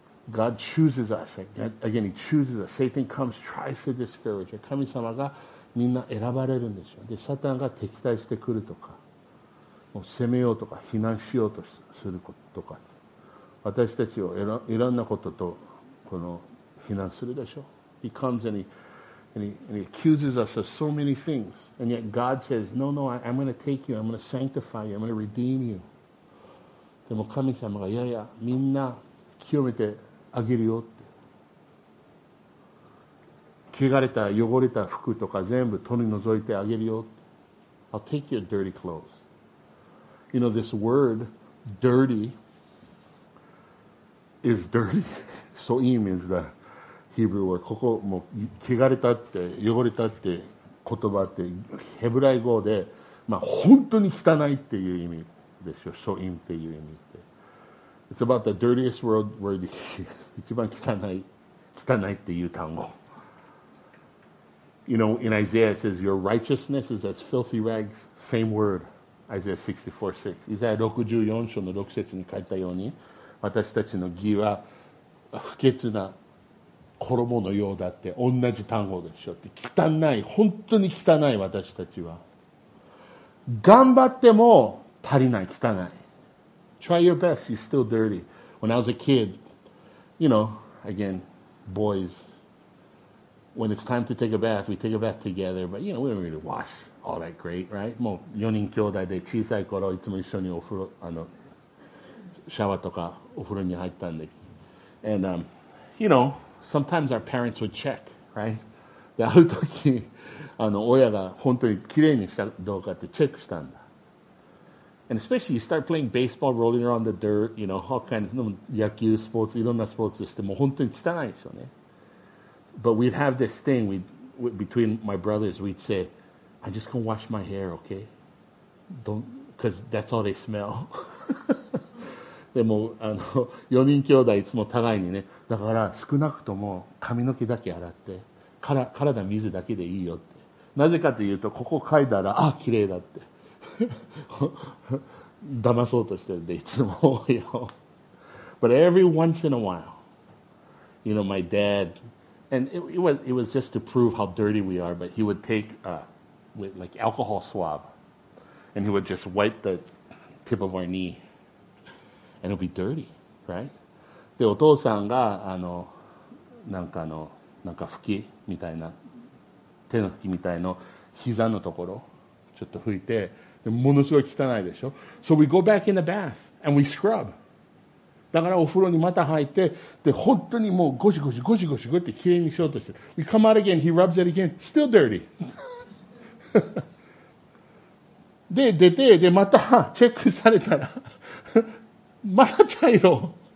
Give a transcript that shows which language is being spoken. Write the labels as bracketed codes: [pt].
[en] God chooses us. Again, He chooses us. Satan comes, tries to discourage us. [ja] 神様がみんな選ばれるんですよ。で、サタンが敵対してくるとか、もう攻めようとか、非難しようとすることとか、私たちをいろんなこととこの非難するでしょ。 [en] He comes and he accuses us of so many things. And yet God says, No, no, I'm going to take you. I'm going to sanctify you. I'm going to redeem you. [ja] でも神様が、いやいや、みんな清めてあげるよって、汚れた汚れた服とか全部取り除いてあげるよって。 [en] I'll take your dirty clothes. You know this word dirty is dirty. Soim is the Hebrew word. [ja] ここもう汚れたって汚れたって言葉ってヘブライ語で、まあ、本当に汚いっていう意味ですよ。 Soim っていう意味って、 [en] It's about the dirtiest word where it is. [ja] 一番汚い、汚いっていう単語。 [en] You know, in Isaiah it says, your righteousness is as filthy rags. Same word, Isaiah 64:6. [ja] Isaiah 64章の6節に書いたように、私たちの義は不潔な衣のようだって、同じ単語でしょって。汚い、本当に汚い私たちは。頑張っても足りない、汚い。 [en] Try your best, you're still dirty. When I was a kid, you know, again, boys, when it's time to take a bath, we take a bath together, but you know, we don't really wash all that great, right? [ja] もう4人兄弟で小さい頃いつも一緒にお風呂、あのシャワーとかお風呂に入ったんで。 [en] And, you know, sometimes our parents would check, right? [ja] で、ある時、あの親が本当にきれいにしたどうかってチェックしたんだ。 [en] And especially you start playing baseball, rolling around the dirt, you know, all kinds of [ja] 野球、スポーツ、いろんなスポーツしても本当に汚いでしょうね。 [en] But we'd have this thing, we'd, between my brothers, we'd say, I'm just going to wash my hair, okay? Don't, because that's all they smell. [ja] でも、あの、4人兄弟いつも互いにね、だから少なくとも髪の毛だけ洗って、体水だけでいいよって。なぜかというと、ここ嗅いだら、ああ、綺麗だって。騙そうとしてるんでいつも [en] But every once in a while, you know, my dad, and it was just to prove how dirty we are, but he would take with like alcohol swab, and he would just wipe the tip of our knee, and it'll be dirty, right? [ja] でお父さんがあのなんかのなんか拭きみたいな手の拭きみたいの膝のところちょっと拭いて。ものすごい汚いでしょ。 [en] So we go back in the bath and we scrub. [ja] だからお風呂にまた入って、で本当にもうゴシゴシゴシゴシゴシってきれいにしようとして、 [en] We come out again, he rubs it again, still dirty. [ja] で出て、でまたチェックされたら、また茶色。